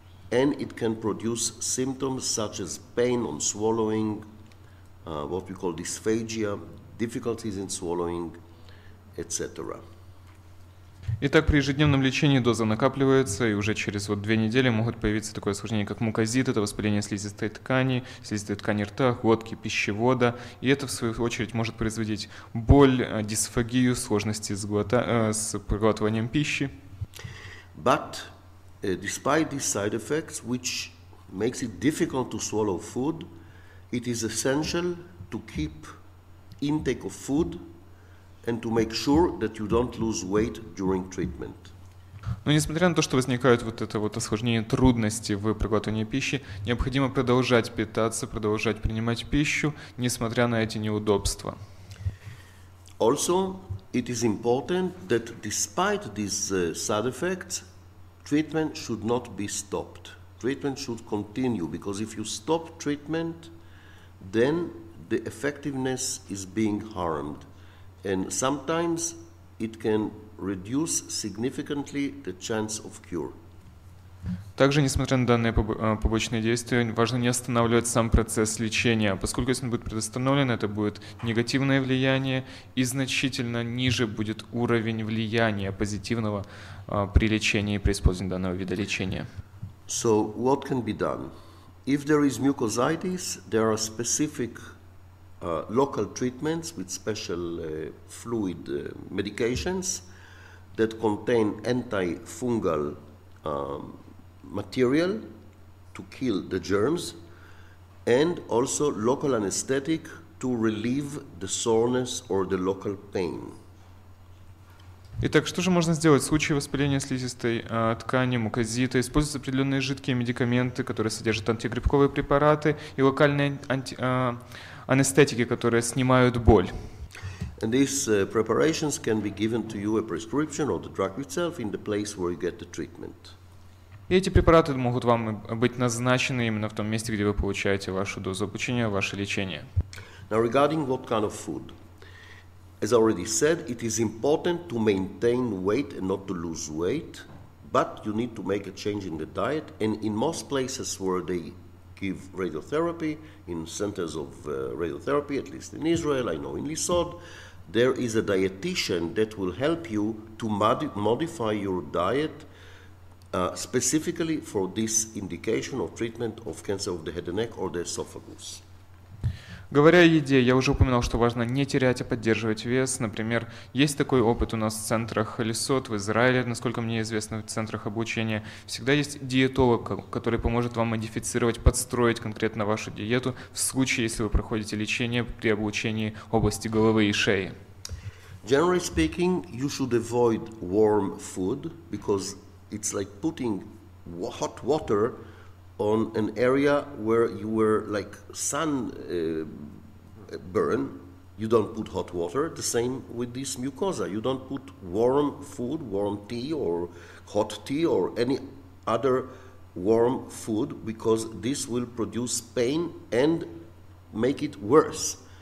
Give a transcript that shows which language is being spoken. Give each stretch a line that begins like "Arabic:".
English: and it can produce symptoms such as pain on swallowing, what we call dysphagia, difficulties in swallowing, etc.
Russian: Итак, при ежедневном лечении доза накапливается, и уже через вот 2 недели могут появиться такое осложнение, как мукозит, это воспаление слизистой ткани рта, глотки, пищевода, и это, в свою очередь, может производить боль, дисфагию, сложности с проглатыванием пищи.
English: But despite these side effects, which makes it difficult to swallow food, it is essential to keep intake of food and to make sure that you don't lose weight during treatment.
Russian: Но несмотря на то, что возникают вот это вот осложнение, трудности в проглатывании пищи, необходимо продолжать питаться, продолжать принимать пищу, несмотря на эти неудобства.
English: Also, it is important that despite these side effects, treatment should not be stopped. Treatment should continue, because if you stop treatment, then the effectiveness is being harmed. And sometimes it can reduce significantly the chance of cure.
Russian: Также, несмотря на данные побочные действия, важно не останавливать сам процесс лечения, поскольку если он будет предостановлен, это будет негативное влияние, и значительно ниже будет уровень влияния позитивного при лечении, при использовании данного вида лечения.
English: So what can be done? If there is mucositis, there are specific local treatments with special fluid medications that contain antifungal material to kill the germs, and also local anesthetic to relieve the soreness or the local pain.
Russian: Итак, что же можно сделать в случае воспаления слизистой ткани, мукозита? Используются определенные жидкие медикаменты, которые содержат антигрибковые препараты и локальные анестетики, которые снимают боль.
English: And these preparations can be given to you a prescription or the drug itself in the place where you get the treatment.
Russian: И эти препараты могут вам быть назначены именно в том месте, где вы получаете вашу дозу облучения, ваше лечение.
English: Now regarding what kind of food? As I already said, it is important to maintain weight and not to lose weight, but you need to make a change in the diet. And in most places where they give radiotherapy, in centers of radiotherapy, at least in Israel, I know in Lisod, there is a dietitian that will help you to modify your diet specifically for this indication of treatment of cancer of the head and neck or the esophagus.
Russian: Говоря о еде, я уже упоминал, что важно не терять, а поддерживать вес. Например, есть такой опыт у нас в центрах Лисот, в Израиле, насколько мне известно, в центрах обучения. Всегда есть диетолог, который поможет вам модифицировать, подстроить конкретно вашу диету в случае, если вы проходите лечение при обучении области головы и шеи.
English: Generally speaking, you should avoid warm food, because it's like putting hot water on an area where you were like sun burn. You don't put hot water. The same with this mucosa. You don't put warm food, warm tea or hot tea or any other warm food, because this will produce pain and make it worse.